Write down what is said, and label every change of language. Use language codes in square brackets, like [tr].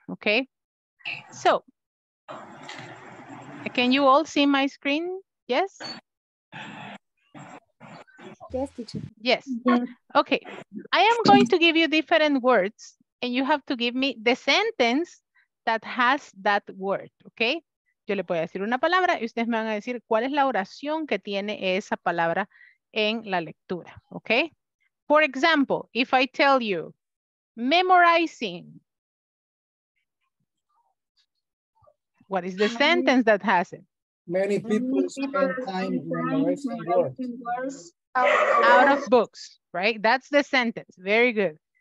[en] Okay. So, can you all see my screen? Yes? Yes, teacher. Yes. Mm-hmm. Okay. I am going to give you different words, and you have to give me the sentence that has that word, okay? [es] Yo le voy a decir una palabra y ustedes me van a decir cuál es la oración que tiene esa palabra en la lectura, okay? [en] For example, if I tell you memorizing, what is the sentence that has it? Many people spend time memorizing words. Out of books, right? That's the sentence, very good.